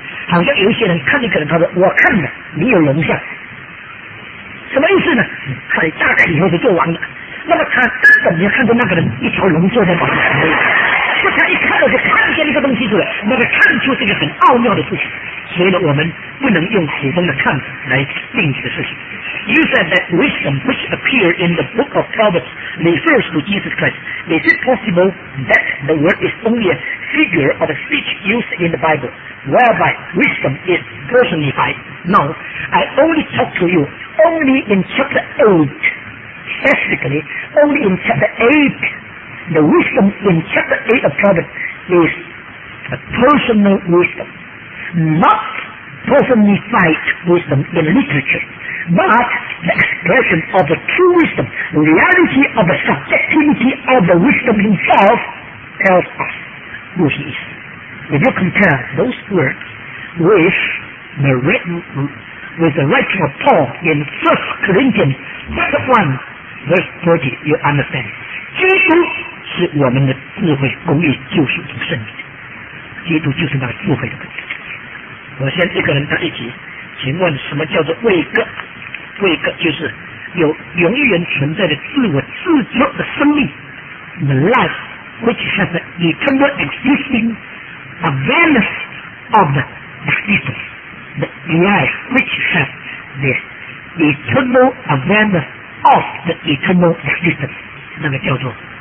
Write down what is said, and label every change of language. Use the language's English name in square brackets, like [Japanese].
[Chinese] 好像有一些人看见，可能他说我看的你有龙像，什么意思呢？看大概以后就做完了，那么他根本没有看到那个人一条龙坐在宝座上。他一看到就看见一个东西出来，那个看出是一个很奥妙的事情，所以呢，我们不能用普通的看来定这个事情。 [English] You said that wisdom which appeared in the book of Proverbs refers to Jesus Christ. Is it possible that the word is only a figure of a speech used in the Bible, whereby wisdom is personified? No, I only talk to you only in chapter 8. Specifically, only in chapter 8. The wisdom in chapter 8 of Proverbs is a personal wisdom, not personified wisdom in literature, but the expression of the true wisdom, reality of the subjectivity of the wisdom himself tells us who he is. If you compare those words with the writing of Paul in 1 Corinthians chapter 1 verse 30, you understand. [Chinese] Jesus是我们的智慧、公义、救赎和圣灵，基督就是那个智慧的本质。我先一个人答一题，请问什么叫做位格？位格就是有永远存在的自我自觉的生命 [English] ，the life which has the eternal existing awareness of the existence，the life which has the eternal awareness of the eternal existence， [Chinese] 那个叫做。